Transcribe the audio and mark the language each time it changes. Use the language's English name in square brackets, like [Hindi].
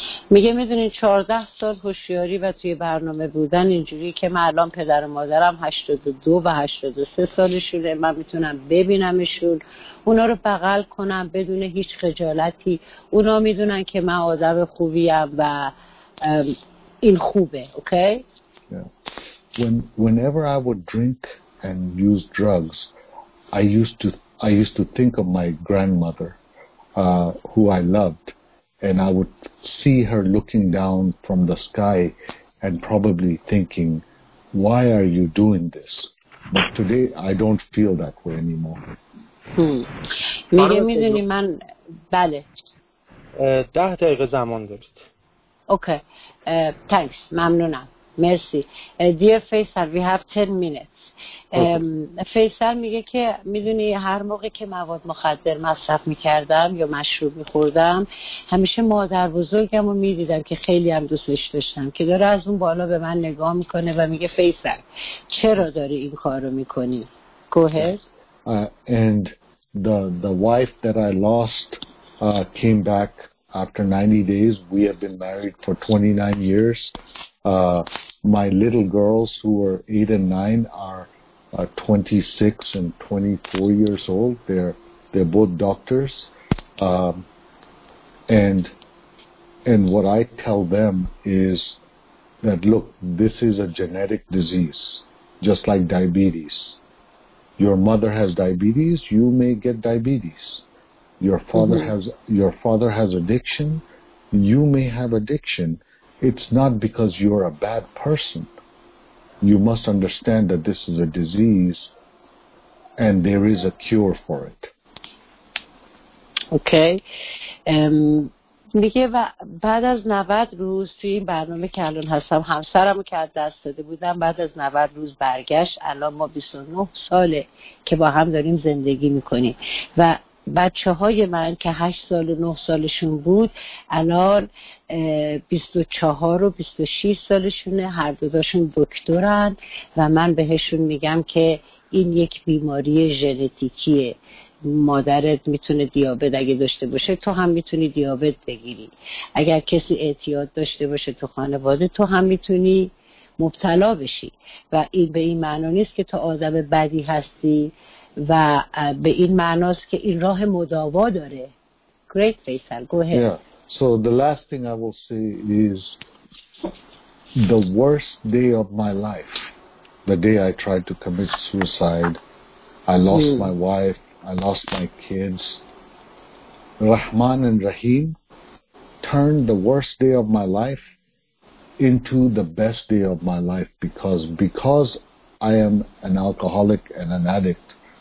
[Persian] میگه میدونین 14 سال هوشیاری و توی برنامه بودن اینجوری که من الان پدر و مادرم 82 و 83 سالشونه، من میتونم ببینمشون، اونا رو بغل کنم بدون هیچ خجالتی، اونا میدونن که من آدم خوبیم و این خوبه. [English] Okay whenever I would drink and use drugs, I used to think of my grandmother who I loved. And I would see her looking down from the sky and probably thinking, why are you doing this? But today, I don't feel that way anymore. [Persian] میگه میدونی من... بله. 10 دقیقه زمان دارید. [English] Okay. Thanks. [Persian] ممنونم. مرسی. [English] Dear Faisal, we have 10 minutes. [Persian] فیصل میگه که میدونی هر موقع که مواد مخدر مصرف میکردم یا مشروب میخوردم همیشه مادر بزرگم رو میدیدم که خیلی هم دوستش داشتم که داره از اون بالا به من نگاه میکنه و میگه فیصل چرا داری این کار رو میکنی؟ [English] Go ahead. And the wife that I lost came back after 90 days. We have been married for 29 years. My little girls who are 8 and 9 are 26 and 24 years old. They're both doctors. And what I tell them is that, look, this is a genetic disease, just like diabetes. Your mother has diabetes, you may get diabetes. Your father has addiction, you may have addiction. It's not because you're a bad person. You must understand that this is a disease and there is a cure for it. Okay. [Persian] میگه بعد از 90 روز توی این برنامه که الان هستم همسرم که از دست داده بودم بعد از 90 روز برگشت. الان ما 29 ساله که با هم داریم زندگی میکنیم و بچه های من که 8 سال و 9 سالشون بود الان 24 و 26 سالشونه، هر دوتاشون دکترن و من بهشون میگم که این یک بیماری ژنتیکیه، مادرت میتونه دیابت اگه داشته باشه تو هم میتونی دیابت بگیری، اگر کسی اعتیاد داشته باشه تو خانواده تو هم میتونی مبتلا بشی و این به این معنی نیست که تو آدم بدی هستی و به این معناست که این راه مداوا داره. [English] Great, Faisal. Go ahead. Yeah. So the last thing I will say is the worst day of my life, the day I tried to commit suicide, I lost my wife, I lost my kids. Rahman and Rahim turned the worst day of my life into the best day of my life because I am an alcoholic and an addict.